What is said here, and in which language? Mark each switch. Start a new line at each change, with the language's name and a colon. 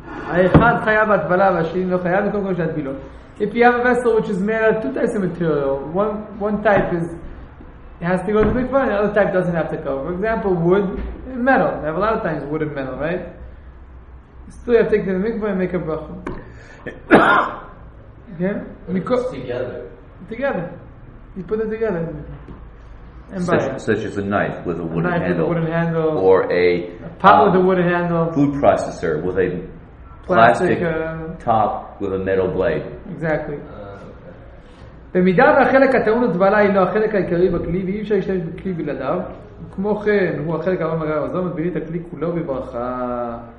Hebrew: האחד חייב הטבלה והשני לא חייב, וקודם כל יש להטבילות.
English: If you have a vessel which is made out of two types of material, one type is it has to go to the mikvah, and the other type doesn't have to go. For example, wood and metal. They have a lot of times wood and metal, right? Still you have to take the mikvah and make a bracha. Okay? Together. You put it together. Such as a knife with a wooden handle. Or a pot with a wooden handle. Food processor with a plastic top with a metal blade. Exactly.
Hebrew: במידה והחלק הטעון הטבלה הינו החלק העיקרי בכלי ואי אפשר להשתמש בכלי בלעדיו, כמו כן הוא החלק הרבה מגע הזו מטבילי את הכלי כולו בברכה.